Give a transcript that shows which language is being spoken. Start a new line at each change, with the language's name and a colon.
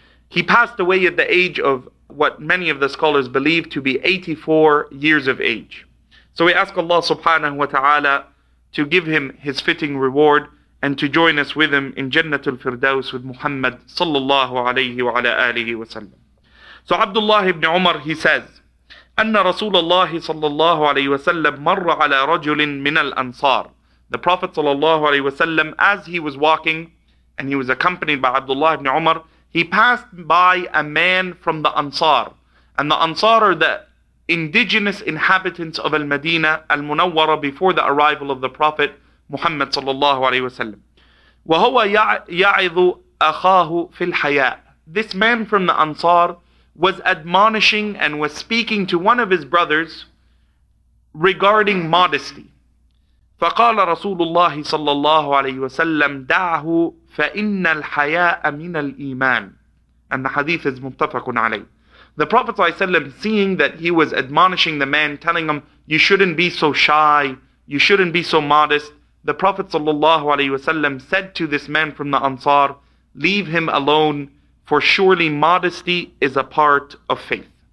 English: He passed away at the age of what many of the scholars believe to be 84 years of age. So we ask Allah subhanahu wa ta'ala to give him his fitting reward and to join us with him in Jannatul Firdaus with Muhammad sallallahu alayhi wa ala alihi wa sallam. So Abdullah ibn Umar, he says,
Arabic: أن رسول الله صلى الله عليه وسلم مر على رجل من الأنصار.
English: The Prophet صلى الله عليه وسلم, as he was walking and he was accompanied by Abdullah ibn Umar, he passed by a man from the Ansar. And the Ansar are the indigenous inhabitants of Al-Madina, Al-Munawwara, before the arrival of the Prophet Muhammad صلى الله عليه وسلم.
Arabic: وهو يعظ أخاه في الحياء.
English: This man from the Ansar was admonishing and was speaking to one of his brothers regarding modesty.
Arabic: فقال رسول الله صلى الله عليه وسلم دعه فإن الحياء من الإيمان.
English: And the hadith is متفق عليه. The Prophet ﷺ, seeing that he was admonishing the man, telling him, you shouldn't be so shy, you shouldn't be so modest, the Prophet ﷺ said to this man from the Ansar, leave him alone, for surely modesty is a part of faith.